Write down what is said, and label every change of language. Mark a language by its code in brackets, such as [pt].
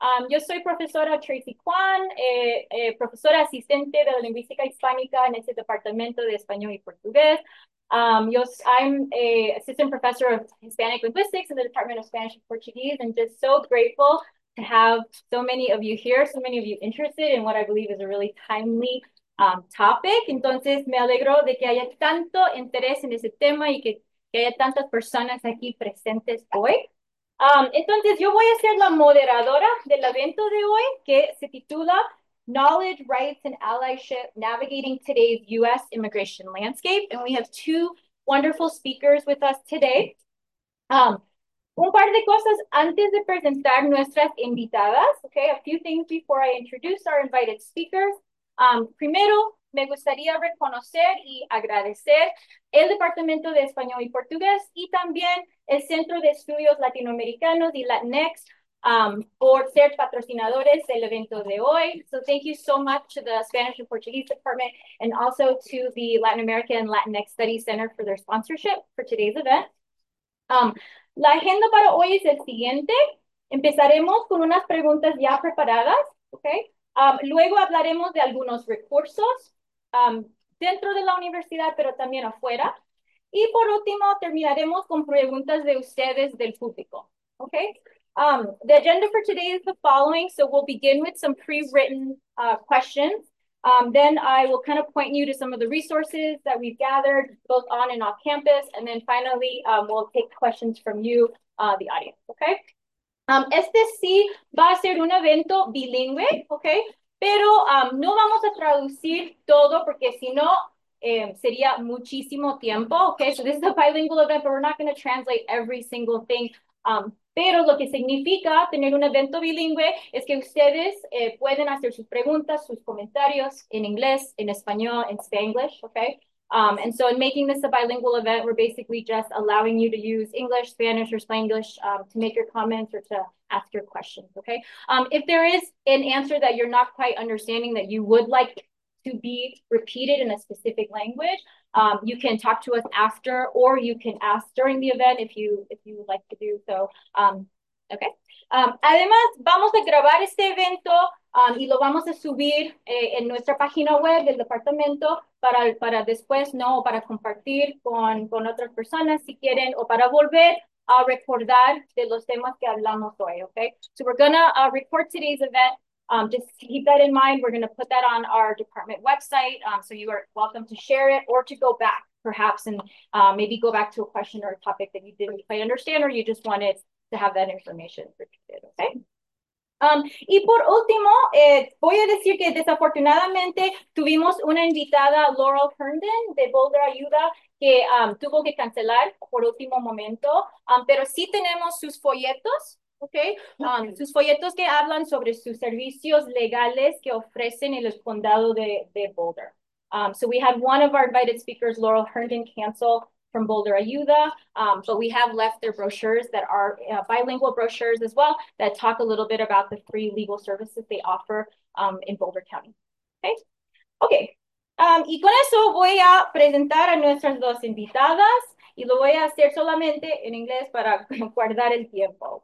[es] Yo soy profesora Tracy Kwan, profesora asistente de la lingüística hispánica en este departamento de español y portugués. [en] I'm assistant professor of Hispanic linguistics in the Department of Spanish and Portuguese, and just so grateful to have so many of you here, so many of you interested in what I believe is a really timely topic. [es] Entonces, me alegro de que haya tanto interés en ese tema y que haya tantas personas aquí presentes hoy. Entonces, yo voy a ser la moderadora del evento de hoy, que se titula Knowledge, Rights, and Allyship: Navigating Today's U.S. [en] Immigration Landscape. And we have two wonderful speakers with us today. [es] Un par de cosas antes de presentar nuestras invitadas, okay? [en] A few things before I introduce our invited speakers. [es] Primero, me gustaría reconocer y agradecer el Departamento de Español y Portugués y también el Centro de Estudios Latinoamericanos y Latinx por ser patrocinadores del evento de hoy. [en] So thank you so much to the Spanish and Portuguese Department and also to the Latin America and Latinx Studies Center for their sponsorship for today's event. [es] La agenda para hoy es el siguiente. Empezaremos con unas preguntas ya preparadas, okay? Luego hablaremos de algunos recursos dentro de la universidad, pero también afuera. Y por último, terminaremos con preguntas de ustedes del público. [en] Okay? The agenda for today is the following. So we'll begin with some pre-written questions. Then I will kind of point you to some of the resources that we've gathered both on and off campus. And then finally, we'll take questions from you, the audience. Okay? [es] Este sí va a ser un evento bilingüe, ¿ok? Pero no vamos a traducir todo porque si no sería muchísimo tiempo, ¿ok? [en] So this is a bilingual event, but we're not going to translate every single thing. [es] Pero lo que significa tener un evento bilingüe es que ustedes pueden hacer sus preguntas, sus comentarios en inglés, en español, en Spanglish, ¿ok? [en] And so in making this a bilingual event, we're basically just allowing you to use English, Spanish, or Spanglish to make your comments or to ask your questions, okay? If there is an answer that you're not quite understanding that you would like to be repeated in a specific language, you can talk to us after, or you can ask during the event if you would like to do so, okay? [es] Además, vamos a grabar este evento y lo vamos a subir en nuestra página web del departamento para después, ¿no? O para compartir con otras personas si quieren, o para volver a recordar de los temas que hablamos hoy, okay? [en] So we're gonna record today's event. Just keep that in mind. We're gonna put that on our department website. So you are welcome to share it or to go back, perhaps, and maybe go back to a question or a topic that you didn't quite understand or you just wanted to have that information repeated, okay? [es] Y por último, voy a decir que desafortunadamente tuvimos una invitada, Laurel Herndon, de Boulder Ayuda, que tuvo que cancelar por último momento, pero sí tenemos sus folletos, okay? Sus folletos que hablan sobre sus servicios legales que ofrecen en el condado de Boulder. [en] So we had one of our invited speakers, Laurel Herndon, cancel from Boulder Ayuda, but we have left their brochures that are bilingual brochures as well that talk a little bit about the free legal services they offer in Boulder County. Okay. [es] Y con eso voy a presentar a nuestras dos invitadas y lo voy a hacer solamente en inglés para guardar el tiempo.